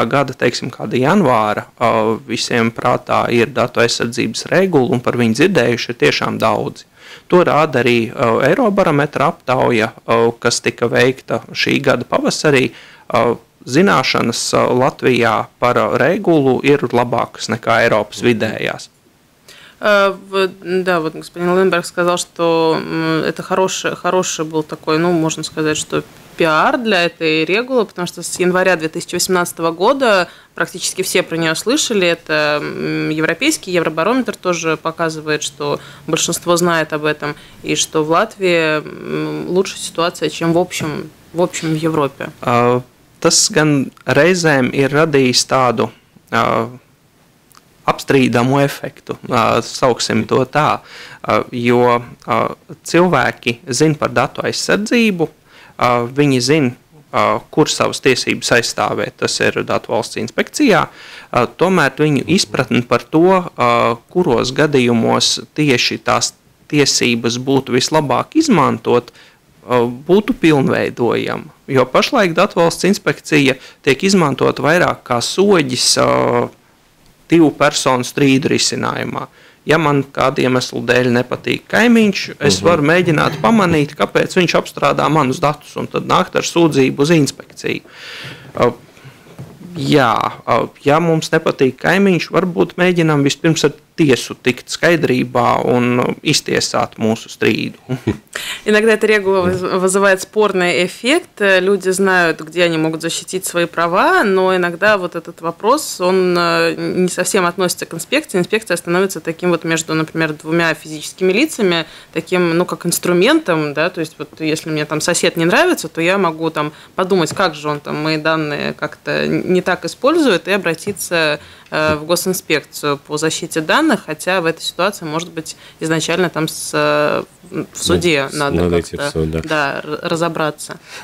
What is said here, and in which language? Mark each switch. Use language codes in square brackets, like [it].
[lv] Gada, teiksim, kāda janvāra, visiem prātā ir datu aizsardzības regula un par viņu dzirdējuši ir tiešām daudzi. To rāda arī Eirobarometra aptauja, kas tika veikta šī gada pavasarī. Zināšanas Latvijā par regulu ir labākas nekā Eiropas vidējās. [ru] Да, вот господин Линнеберг сказал, что это хороший был такой, можно сказать, что пиар для этой регулы, потому что с января 2018 года практически все про нее слышали, это европейский евробарометр тоже показывает, что большинство знает об этом, и что в Латвии лучше ситуация, чем в общем в Европе. [lv] Tas gan reizēm ir radījis tādu apstrīdamu efektu, sauksim to tā, jo cilvēki zin par datu aizsardzību, viņi zin, kur savas tiesības aizstāvē, tas ir Datu valsts inspekcijā, tomēr viņu izpratni par to, kuros gadījumos tieši tās tiesības būtu vislabāk izmantot, būtu pilnveidojama, jo pašlaik Datu valsts inspekcija tiek izmantota vairāk kā soģis divu personu strīdu risinājumā. Ja man kādu iemeslu dēļ nepatīk kaimiņš, es varu mēģināt pamanīt, kāpēc viņš apstrādā manus datus un tad nākt ar sūdzību uz inspekciju. Ja mums nepatīk kaimiņš, varbūt mēģinām vispirms ar tiesu tikt skaidrībā un iztiesāt mūsu strīdu. [ru] Иногда это регула вызывает спорный эффект. Люди знают, где они могут защитить свои права, но иногда вот этот вопрос, он не совсем относится к инспекции. Инспекция становится таким вот между, например, двумя физическими лицами, таким, ну, как инструментом, да, то есть вот если мне там сосед не нравится, то я могу там подумать, как же он там мои данные как-то не так использует, и обратиться в госинспекцию по защите данных, хотя в этой ситуации, может быть, изначально там в суде надо разобраться.